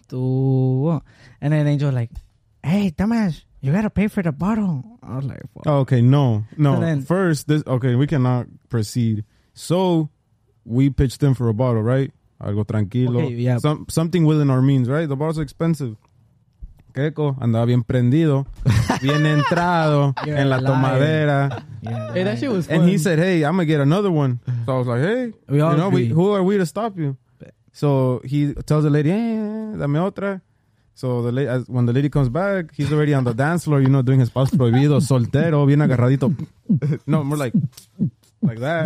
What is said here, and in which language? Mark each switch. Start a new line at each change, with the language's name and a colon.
English: And then Angel was like, hey, Tomás, you gotta pay for the bottle. I was like, fuck. Okay, no. So then, first, this okay, we cannot proceed. So we pitched them for a bottle, right?
Spanish: Algo tranquilo.
English: Okay, yeah. Something within our means, right? The bottle's expensive.
Spanish: Keko andaba bien prendido, bien entrado en la tomadera.
English: Hey, that shit was fun. And he said, hey, I'm gonna get another one. So I was like, hey, you know, who are we to stop you? So he tells the lady, hey,
Spanish: dame otra.
English: So the lady, when the lady comes back, he's already on the dance floor, you know, doing his
Spanish: paso prohibido, soltero, bien agarradito.
English: No, more like that.